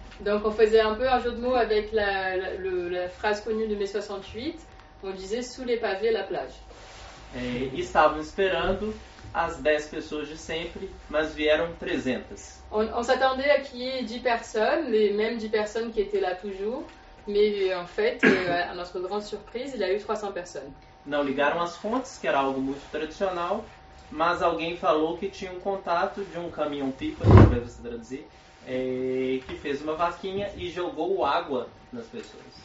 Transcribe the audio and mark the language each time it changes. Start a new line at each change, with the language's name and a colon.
French: Donc on faisait un peu un jeu de mots avec la phrase connue de mai 68. On disait sous les pavés la plage.
Portuguese: Estavam esperando as 10 pessoas de sempre, mas vieram 300.
French: On s'attendait à qu'il y ait 10 personnes, les mêmes 10 personnes qui étaient là toujours, mais en fait, à notre grande surprise, il y a eu 300 personnes.
Portuguese: Não ligaram as fontes, que era algo muito tradicional, mas alguém falou que tinha um contato de um caminhão-pipa, talvez você traduzir, que fez uma vaquinha e jogou água nas pessoas.